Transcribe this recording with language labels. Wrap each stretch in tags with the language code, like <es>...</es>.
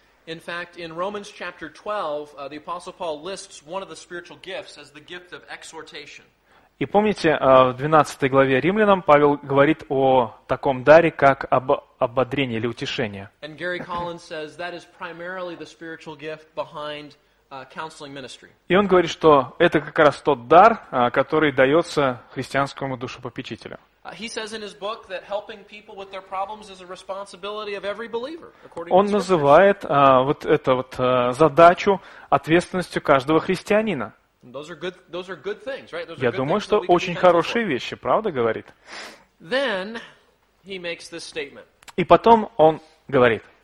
<en>In fact, in Romans chapter 12, the Apostle Paul lists one of the spiritual gifts as the gift of exhortation.</en> <ru>И помните, в 12 главе Римлянам Павел говорит о таком даре, как ободрение или утешение.</ru> <en>And Gary Collins says that is primarily the spiritual gift behind counseling ministry.</en> <ru>И он говорит, что это как раз тот дар, который дается христианскому душепопечителю.</ru> <en>He says in his book that helping people with their problems is a responsibility of every believer.</en> <ru>Он называет вот эту вот задачу ответственностью каждого христианина.</ru> <en>Those are good things, right?</en> <ru>Я думаю, что очень хорошие вещи, правда, говорит.</ru> <en>Then he makes this statement.</en> <ru>И потом он говорит.</ru>